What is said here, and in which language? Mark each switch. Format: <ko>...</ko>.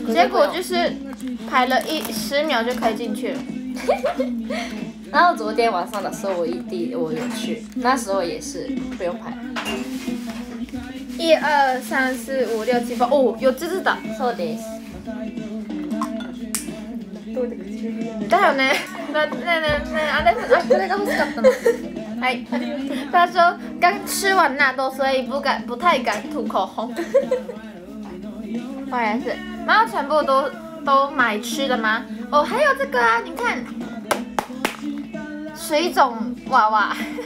<zh>结果就是排了十秒就可以进去了。然后昨天晚上的时候我有去，那时候也是不用排。一二三四五六七八，哦，有芝芝的，</zh> <ja>そうです。だよね。ねあれあれが欲しかったの。</ja> <zh>哎，他说刚吃完纳豆，所以不太敢涂口红。果然是，然后全部都买吃的吗？哦，还有这个啊，你看，水肿娃娃，</zh>